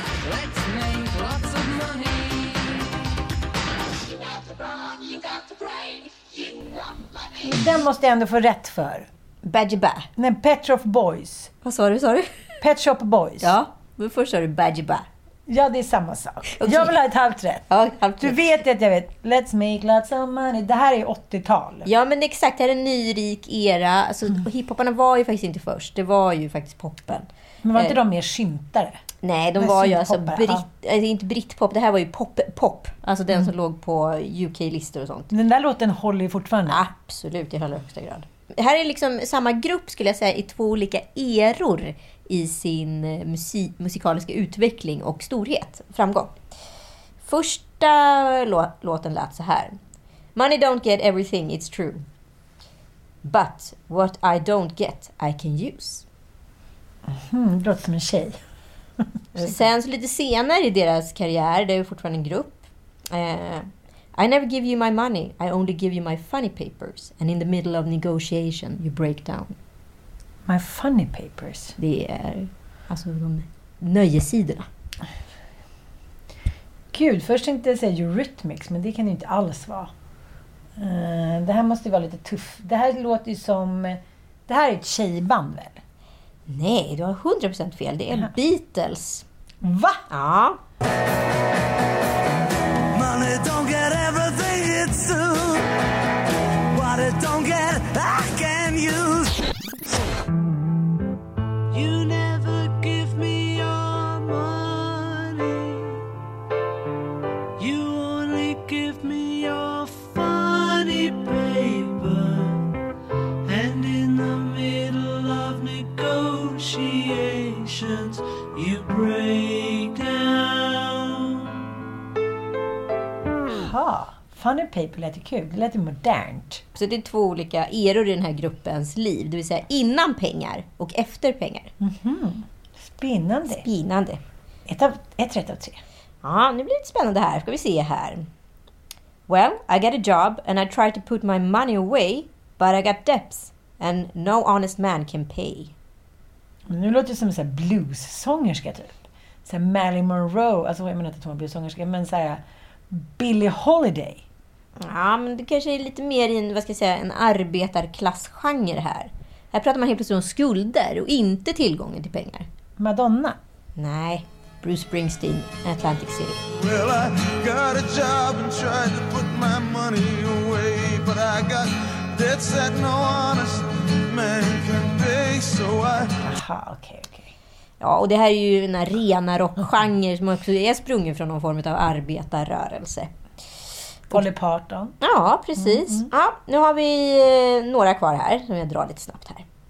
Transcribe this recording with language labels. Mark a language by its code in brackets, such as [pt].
[en] Let's make lots of money. You got the bomb, you got [sv] Den måste jag ändå få rätt för. Badgie Bä. Nej, Pet Shop Boys. Vad sa du, sa du? Pet Shop Boys. Ja, men först sa du Badgie Bä. Ja, det är samma sak. Okay. Jag vill ha ett halvt rätt. Ja, halvt rätt. Du vet att jag vet. [en] Let's make lots of money. [sv] Det här är 80-tal. Ja, men exakt. Det är en ny rik era. Alltså, hiphoparna var ju faktiskt inte först. Det var ju faktiskt poppen. Men var inte de mer skymtare? Nej, de var ju alltså inte brittpop. Det här var ju pop. Alltså den som låg på UK-listor och sånt. Den där låten håller ju fortfarande. Absolut, i högsta grad. Det här är liksom samma grupp skulle jag säga i två olika eror i sin musikaliska utveckling och storhet, framgång. Första låten lät så här. [en] Money don't get everything, it's true. But what I don't get, I can use. [sv] Det låter som en tjej. Sen så lite senare i deras karriär, det är fortfarande en grupp. [en] I never give you my money, I only give you my funny papers. And in the middle of negotiation, you break down. My funny papers. [sv] Det är alltså de nöjesidorna. Gud, först tänkte jag säga Eurythmics, men det kan ju inte alls vara. Det här måste ju vara lite tuff. Det här låter ju som... Det här är ett tjejband, väl? Nej, du har 100% fel. Det är Beatles. Va? Ja. [en] Money don't get everything it's due. What it don't get, I can use. You never give me your money. You only give me your funny paper. And in the middle of negotiations, you break down. [sv] Aha, funny paper lät ju kul. Det lät ju modernt. Så det är två olika eror i den här gruppens liv. Det vill säga innan pengar och efter pengar. Mm-hmm. Spinnande. Spinnande. Ett rätt av tre. Ja, nu blir det lite spännande här. Ska vi se här. [en] Well, I got a job and I tried to put my money away. But I got debts and no honest man can pay. [sv] Men nu låter det som en blues-sångerska typ. Så här Marilyn Monroe. Alltså jag menar inte att hon är blues-sångerska. Men så här Billie Holiday. Ja, men det kanske är lite mer i en, vad ska jag säga, en arbetarklassgenre här. Här pratar man helt plötsligt om skulder och inte tillgången till pengar. Madonna? Nej, Bruce Springsteen, Atlantic City. [en] Well, I got a job and tried to put my money away. But I got debts that no honest man can pay. So I... Aha, okay, okay. [sv] Ja, och det här är ju en arena rockgenre som också är sprungen från någon form av arbetarrörelse. Polly Parton. Ja, precis. Mm-hmm. Ja, nu har vi några kvar här som jag drar lite snabbt här.